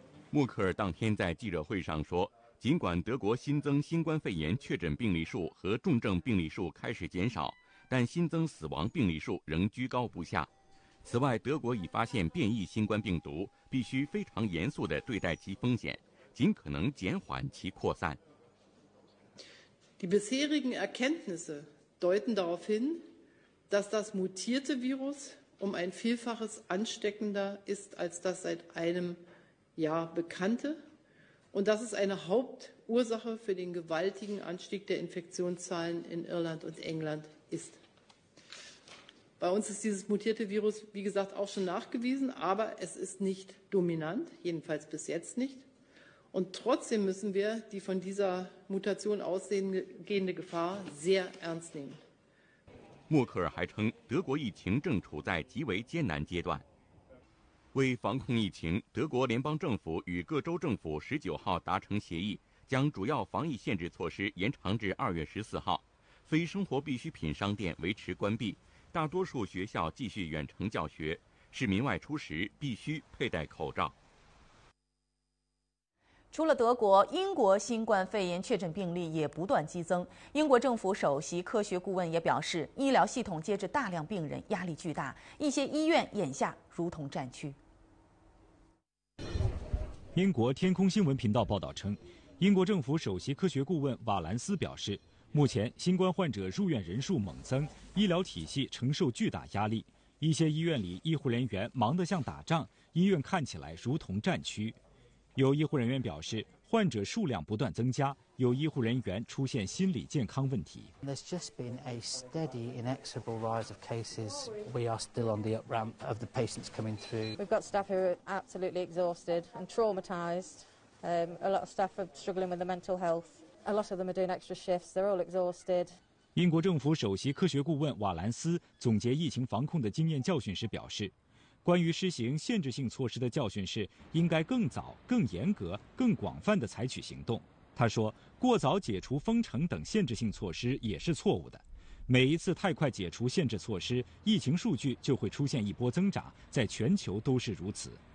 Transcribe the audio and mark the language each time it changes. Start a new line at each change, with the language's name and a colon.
Chinese: 默克尔当天在记者会上说，尽管德国新增新冠肺炎确诊病例数和重症病例数开始减少，但新增死亡病例数仍居高不下。此外，德国已发现变异新冠病毒，必须非常严肃地对待其风险，尽可能减缓其扩散。
German: Die bisherigen Erkenntnisse deuten darauf hin, dass das mutierte Virus ein Vielfaches ansteckender ist als das seit einem Jahr bekannte und dass es eine Hauptursache für den gewaltigen Anstieg der Infektionszahlen in Irland und England ist. Bei uns ist dieses mutierte Virus, wie gesagt, auch schon nachgewiesen, aber es ist nicht dominant, jedenfalls bis jetzt nicht. Und trotzdem müssen wir die von dieser Mutation ausgehende Gefahr sehr ernst nehmen.
Chinese: 默克尔还称，德国疫情正处在极为艰难阶段。为防控疫情，德国联邦政府与各州政府19号达成协议，将主要防疫限制措施延长至2月14号，非生活必需品商店维持关闭。大多数学校继续远程教学，市民外出时必须佩戴口罩。除了德国，英国新冠肺炎确诊病例也不断激增。英国政府首席科学顾问也表示，医疗系统接着大量病人，压力巨大，一些医院眼下如同战区。英国天空新闻频道报道称，英国政府首席科学顾问瓦兰斯表示，目前新冠患者入院人数猛增，医疗体系承受巨大压力，一些医院里医护人员忙得像打仗，医院看起来如同战区。有医护人员表示，患者数量不断增加，有医护人员出现心理健康问题。
English: There's just been a steady, inexorable rise of cases. We are still on the up ramp of the patients coming through. We've got staff who are absolutely exhausted and traumatized. A lot of staff are struggling with the mental health. A lot of them are doing extra shifts. They're all exhausted.
Chinese: 英国政府首席科学顾问瓦兰斯总结疫情防控的经验教训时表示，关于施行限制性措施的教训是应该更早、更严格、更广泛地采取行动。他说，过早解除封城等限制性措施也是错误的，每一次太快解除限制措施，疫情数据就会出现一波增长，在全球都是如此。